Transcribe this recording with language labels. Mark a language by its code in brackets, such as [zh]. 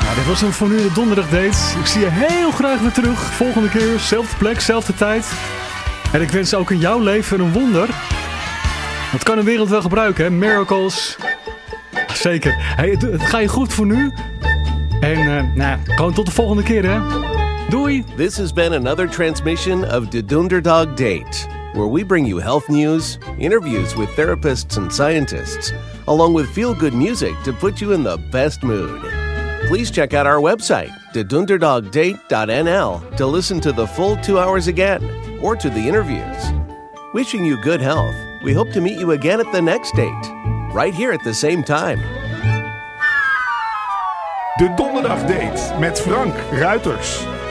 [nl] was hem voor nu de donderdag date. Ik zie je heel graag weer terug. Volgende keer, zelfde plek, zelfde tijd. En ik wens ook in jouw leven een wonder. Dat kan een wereld wel gebruiken, hè? Miracles. Zeker. Hey, het gaat je goed voor nu. En gewoon tot de volgende keer, hè. Doei. [en] This has been another transmission of the Dunderdog Date, where we bring you health news, interviews with therapists and scientists, along with feel-good music to put you in the best mood. Please check out our website, thedunderdogdate.nl, to listen to the full 2 hours again, or to the interviews. Wishing you good health, we hope to meet you again at the next date, right here at the same time. [nl] De Donderdag Date met Frank Ruiters.